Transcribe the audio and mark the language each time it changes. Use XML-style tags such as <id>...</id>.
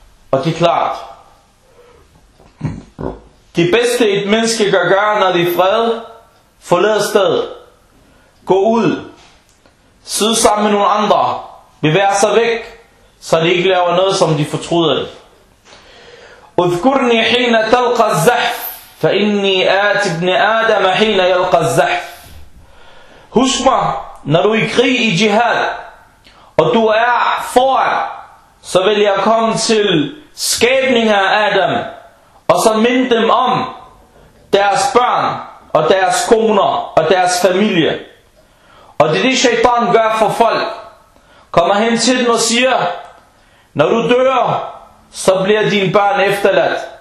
<da>Og det er klart, det bedste et menneske kan gøre, når det er fred, forlade stedet, gå ud, sidde sammen med nogle andre, bevæge sig væk, så de ikke laver noget, som de fortryder.</da> <ar>اذكرني حين تلقى الزحف فإني آت ابن آدم حين يلقى الزحف.</ar> <da>Husk mig, når du er i krig i jihad, og du er for, så vil jeg komme til skabninger af dem, og så minde dem om deres børn, og deres koner, og deres familie. Og det er det, shaitan gør for folk. Kommer hen til dem og siger, når du dør, så bliver dine børn efterladt.</da>